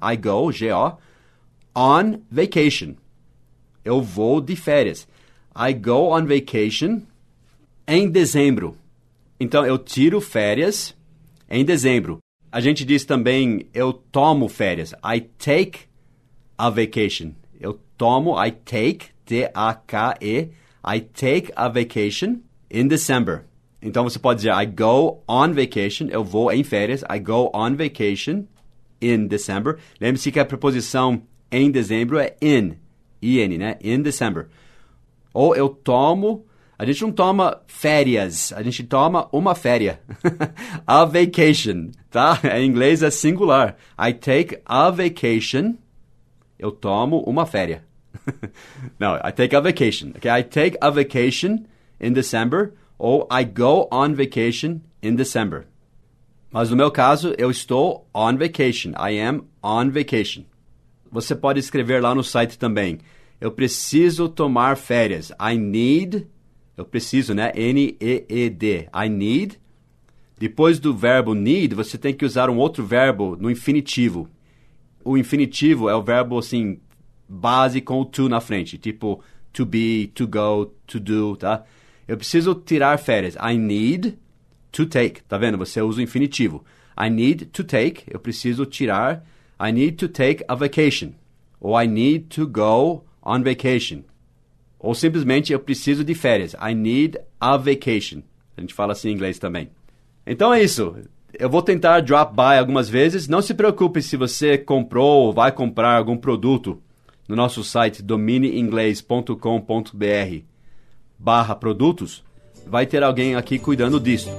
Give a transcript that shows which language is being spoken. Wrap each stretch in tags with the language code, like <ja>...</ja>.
<en>I go, G-O, on vacation.</en> <pt>Eu vou de férias.</pt> <en>I go on vacation</en> <pt>em dezembro. Então, eu tiro férias em dezembro. A gente diz também, eu tomo férias.</pt> <en>I take a vacation.</en> <pt>Eu tomo,</pt> <en>I take, T-A-K-E, I take a vacation in December.</en> <pt>Então, você pode dizer,</pt> <en>I go on vacation.</en> <pt>Eu vou em férias.</pt> <en>I go on vacation in December.</en> <pt>Lembre-se que a preposição em dezembro é in, I-N, né?</pt> <en>In December.</en> <pt>Ou eu tomo, a gente não toma férias, a gente toma uma férias.</pt> <en>A vacation,</en> <pt>tá? Em inglês é singular.</pt> <en>I take a vacation,</en> <pt>eu tomo uma férias.</pt> <en>Não, I take a vacation. Okay, I take a vacation in December, ou I go on vacation in December.</en> <pt>Mas no meu caso, eu estou</pt> <en>on vacation. I am on vacation.</en> <pt>Você pode escrever lá no site também. Eu preciso tomar férias.</pt> <en>I need.</en> <pt>Eu preciso, né?</pt> <en>N-E-E-D. I need.</en> <pt>Depois do verbo need, você tem que usar um outro verbo no infinitivo. O infinitivo é o verbo, assim, base com o to na frente. Tipo, to be, to go, to do, tá? Eu preciso tirar férias.</pt> <en>I need. To take,</en> <pt>tá vendo? Você usa o infinitivo.</pt> <en>I need to take,</en> <pt>eu preciso tirar.</pt> <en>I need to take a vacation. Ou I need to go on vacation.</en> <pt>Ou simplesmente, eu preciso de férias.</pt> <en>I need a vacation.</en> <pt>A gente fala assim em inglês também. Então é isso. Eu vou tentar</pt> <en>drop by</en> <pt>algumas vezes. Não se preocupe se você comprou ou vai comprar algum produto no nosso site domineinglês.com.br/produtos, vai ter alguém aqui cuidando disso.</pt>